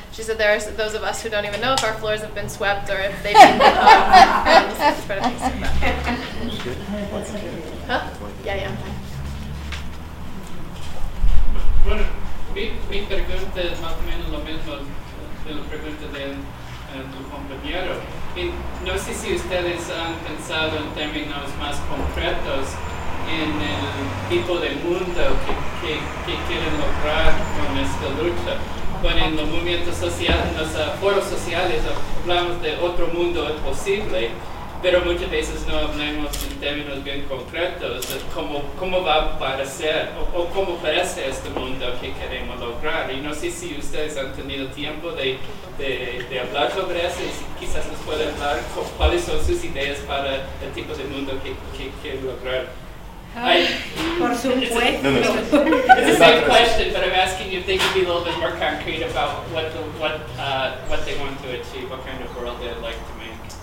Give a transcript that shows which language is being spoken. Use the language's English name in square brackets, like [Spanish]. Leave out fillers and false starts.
[English] She said there are those of us who don't even know if our floors have been swept or if they've been home. [Spanish] No sé si ustedes han pensado en términos más concretos en el tipo de mundo que quieren lograr con esta lucha. Bueno, en los movimientos sociales, en los foros sociales, hablamos de otro mundo posible, pero muchas veces no hablamos en términos bien concretos de cómo va a parecer o cómo parece este mundo que queremos lograr. Y no sé si ustedes han tenido tiempo de hablar sobre eso, y quizás nos pueden hablar cuáles son sus ideas para el tipo de mundo que quieren lograr. Por supuesto. [English] It's the same question, but I'm asking you if they could be a little bit more concrete about what they want to achieve, what kind of world they'd like to make.